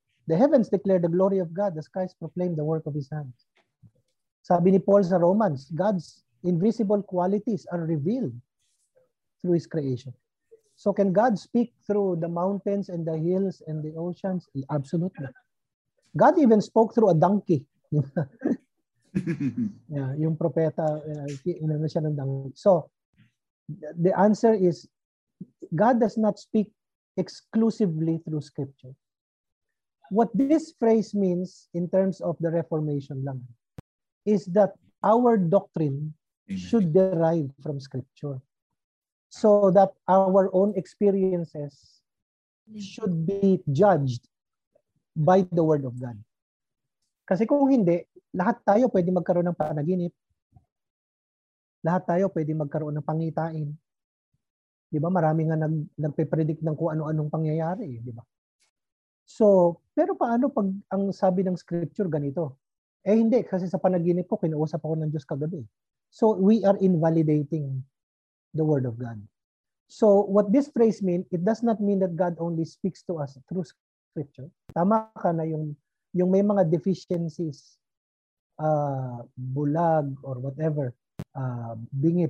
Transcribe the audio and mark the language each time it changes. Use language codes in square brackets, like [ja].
[en] The heavens declare the glory of God, the skies proclaim the work of His hands. [tl] Sabi ni Paul sa Romans, [en] God's invisible qualities are revealed through His creation. So can God speak through the mountains and the hills and the oceans? Absolutely. God even spoke through a donkey. [tl] Yeah, yung propeta, inano siya ng donkey. [en] So, the answer is, God does not speak exclusively through scripture. What this phrase means in terms of the Reformation lang is that our doctrine should derive from scripture so that our own experiences should be judged by the Word of God. [tl] Kasi kung hindi, lahat tayo pwede magkaroon ng panaginip. Lahat tayo pwede magkaroon ng pangitain. Diba, marami nga nagpe-predict ng kung ano-anong pangyayari, diba? So, pero paano pag ang sabi ng scripture ganito? Eh hindi, kasi sa panaginip ko, kinuusap ako ng Diyos kagabi. [en] So, we are invalidating the Word of God. So, what this phrase mean, it does not mean that God only speaks to us through scripture. [tl] Tama ka na yung may mga deficiencies, bulag or whatever, bingi.